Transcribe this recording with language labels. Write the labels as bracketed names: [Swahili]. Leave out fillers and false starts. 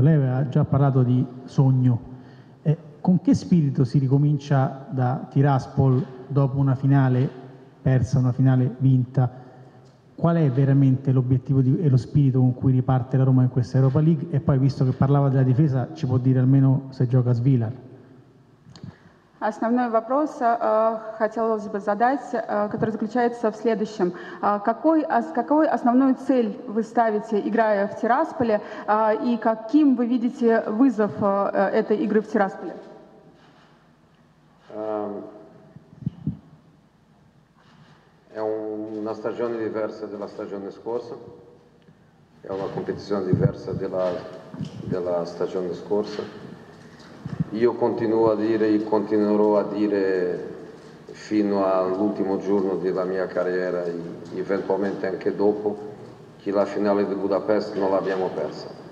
[Italian] Lei aveva già parlato di sogno. Con che spirito si ricomincia da Tiraspol dopo una finale persa, una finale vinta? Qual è veramente l'obiettivo e lo spirito con cui riparte la Roma in questa Europa League? E poi, visto che parlava della difesa, ci può dire almeno se gioca Svilar? [Russian] Основной вопрос хотелось бы задать, который заключается в следующем. Какой основную цель вы ставите, играя в Тирасполе, и каким вы видите вызов этой игры в Тирасполе? [Italian] È una stagione diversa della stagione scorsa, è una competizione diversa della stagione scorsa. Io continuo a dire e continuerò a dire fino all'ultimo giorno della mia carriera e eventualmente anche dopo che la finale di Budapest non l'abbiamo persa.